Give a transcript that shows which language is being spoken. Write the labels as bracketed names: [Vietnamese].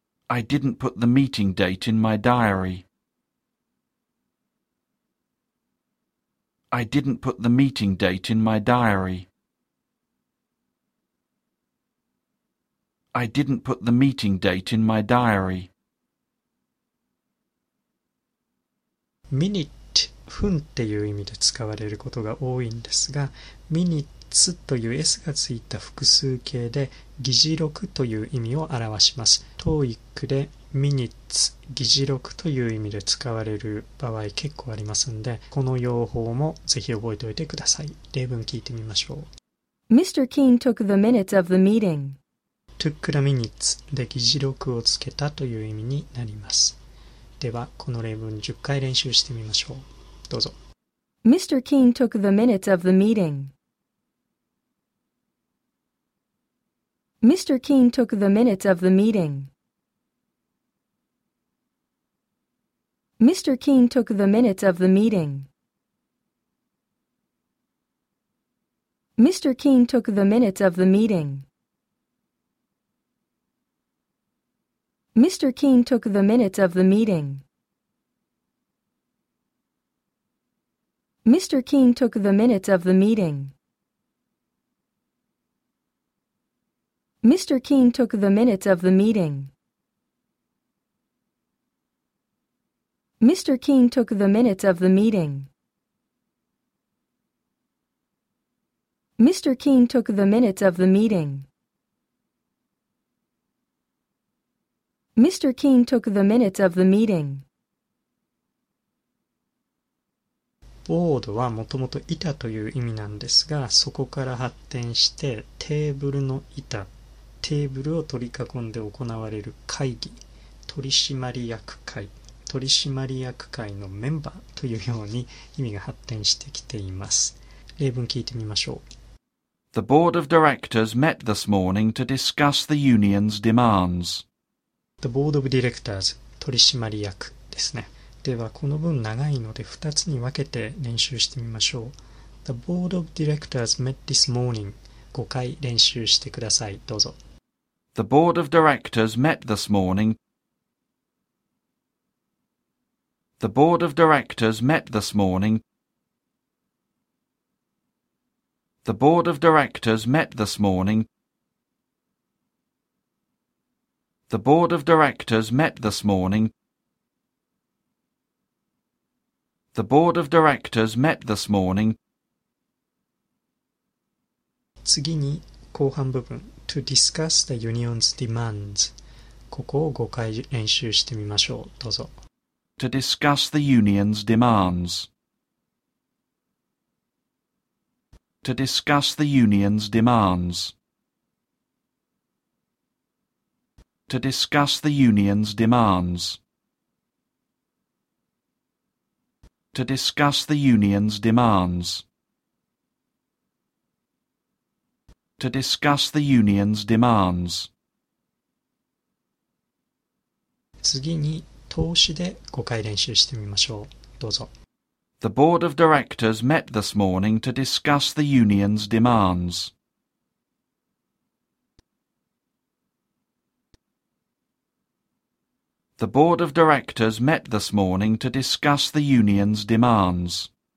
[English] I didn't put the meeting date in my diary. I didn't put the meeting date in my diary. I didn't put the meeting date in my diary. [Japanese] Minute、分っていう意味で使われることが多いんですが、minutes という S がついた複数形で議事録という意味を表します。 TOEICで minutes、議事録という意味で使われる場合結構ありますので、この用法もぜひ覚えておいてください。例文聞いてみましょう。 [English] Mr. Keen took the minutes of the meeting. Took the minutes [Japanese] で議事録をつけたという意味になります。ではこの例文10回練習してみましょう。どうぞ。 [English] Mr. Keen took the minutes of the meeting. Mr. Keen took the minutes of the meeting. Mr. Keen took the minutes of the meeting. Mr. Keen took the minutes of the meeting. Mr. Keen took the minutes of the meeting. Mr. Keen took the minutes of the meeting. Mr. Keen took the minutes of the meeting. Mr. Keen took the minutes of the meeting. Mr. Keen took the minutes of the meeting. Mr. Keen took the minutes of the meeting. [Japanese] ボードはもともと板という意味なんですが、そこから発展してテーブルの板、テーブルを取り囲んで行われる会議、取締役会、取締役会のメンバーというように意味が発展してきています。例文聞いてみましょう。 [English] The board of directors met this morning to discuss the union's demands. The Board of Directors [Japanese] 取締役ですね。ではこの文長いので2つに分けて練習してみましょう。 [English] The Board of Directors met this morning. [Japanese] 5回練習してください。どうぞ。 [English] The Board of Directors met this morning. The Board of Directors met this morning. The Board of Directors met this morning. The board of directors met this morning. The board of directors met this morning. [Japanese] 次に後半部分 [English] to discuss the union's demands. [Japanese] ここを5回練習してみましょう。どうぞ。 [English] To discuss the union's demands. To discuss the union's demands. To discuss the union's demands. To discuss the union's demands. To discuss the union's demands. [Japanese] 次に投資で5回練習してみましょう。どうぞ。 [English] The board of directors met this morning to discuss the union's demands. The board of directors met this morning to discuss the union's demands.